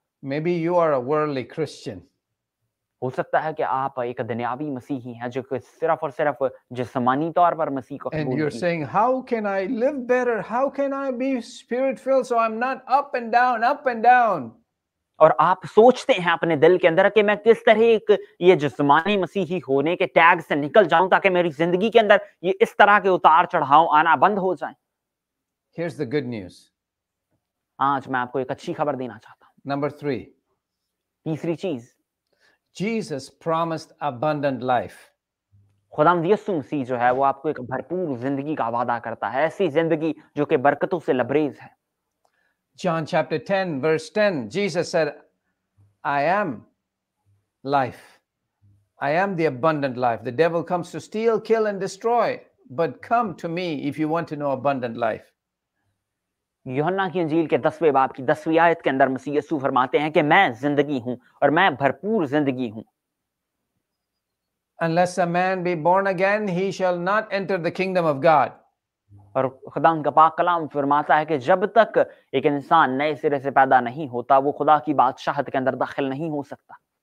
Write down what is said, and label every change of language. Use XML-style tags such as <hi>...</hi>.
<en>maybe you are a worldly christian</en> <ur>ہو سکتا ہے کہ آپ ایک دنیاوی مسیحی ہیں جو کہ صرف اور صرف جسمانی طور پر مسیح کو قبول</ur> <en>And you're saying, how can I live better? How can I be spirit-filled so I'm not up and down, up and down?</en> <ur>اور آپ سوچتے ہیں اپنے دل کے اندر کہ میں کس طرح ایک یہ جسمانی مسیحی ہونے کے ٹیگ سے نکل جاؤں تاکہ میری زندگی کے اندر یہ اس طرح کے اتار چڑھاؤ آنا بند ہو جائیں</ur> <en>Here's the good news.</en> <ur>آج میں آپ کو ایک اچھی خبر دینا چاہتا ہوں</ur> <en>Number three.</en> <ur>تیسری چیز</ur> <en>Jesus promised abundant life.</en> <ur>خداوند یسوع مسیح جو ہے وہ آپ کو ایک بھرپور زندگی کا وعدہ کرتا ہے, ایسی زندگی جو کہ برکتوں سے لبریز ہے.</ur> <en>John chapter 10 verse 10 Jesus said I am life. I am the abundant life. The devil comes to steal, kill and destroy, but come to me if you want to know abundant life.</en> <ur>یوحنا کی انجیل کے 10ویں باب کی 10ویں آیت کے اندر مسیح یسوع فرماتے ہیں کہ میں زندگی ہوں اور میں بھرپور زندگی ہوں.</ur> <en>Unless a man be born again, he shall not enter the kingdom of God.</en> <ur>اور خدا کا پاک کلام فرماتا ہے کہ جب تک ایک انسان نئے سرے سے پیدا نہیں ہوتا وہ خدا کی بادشاہت کے اندر داخل نہیں ہو سکتا.</ur>